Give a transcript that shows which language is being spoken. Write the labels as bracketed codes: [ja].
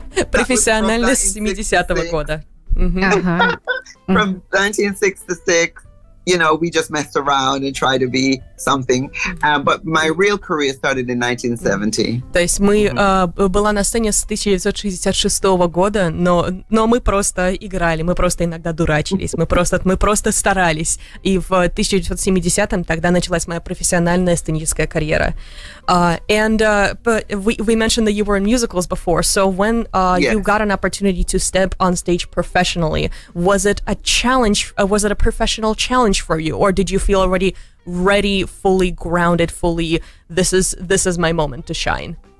[ru] Профессионально с 70-го года. [en] From 1966, you know, we just messed around and tried to be something. But my real career started in 1970. [ru] То есть мы была на сцене с 1966 года, но мы просто играли, мы просто иногда дурачились, мы просто старались. И в 1970-м тогда началась моя профессиональная сценическая карьера. [en] But we mentioned that you were in musicals before. So when yes. You got an opportunity to step on stage professionally, was it a challenge? Was it a professional challenge for you, or did you feel already ready, fully grounded, fully, this is my moment to shine?